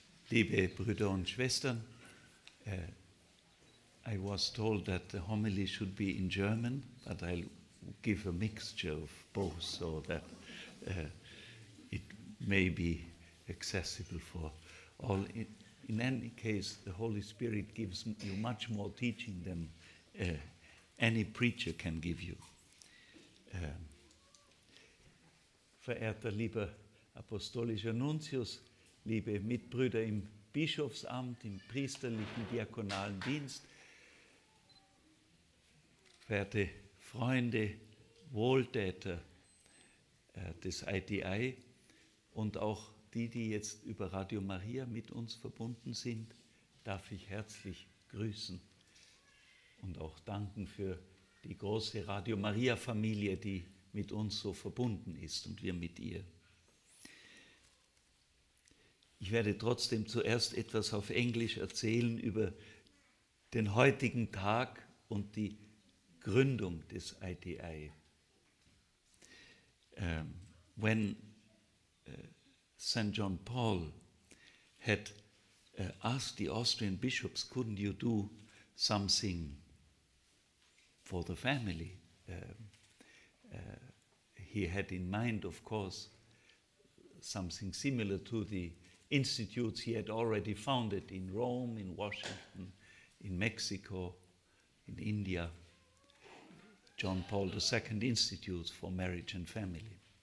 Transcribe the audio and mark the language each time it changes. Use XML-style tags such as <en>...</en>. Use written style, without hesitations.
<de>Liebe Brüder und Schwestern,</de> <en>I was told that the homily should be in German, but I'll give a mixture of both so that it may be accessible for all. In any case, the Holy Spirit gives you much more teaching than any preacher can give you.</en> <de>Verehrter lieber apostolischer Nuntius, liebe Mitbrüder im Bischofsamt, im priesterlichen, diakonalen Dienst, werte Freunde, Wohltäter des ITI und auch die, die jetzt über Radio Maria mit uns verbunden sind, darf ich herzlich grüßen und auch danken für die große Radio Maria-Familie, die mit uns so verbunden ist und wir mit ihr. Ich werde trotzdem zuerst etwas auf Englisch erzählen über den heutigen Tag und die Gründung des ITI.</de> <en>When St. John Paul had asked the Austrian bishops, couldn't you do something for the family? He had in mind, of course, something similar to the institutes he had already founded in Rome, in Washington, in Mexico, in India, John Paul II Institute for Marriage and Family.</en>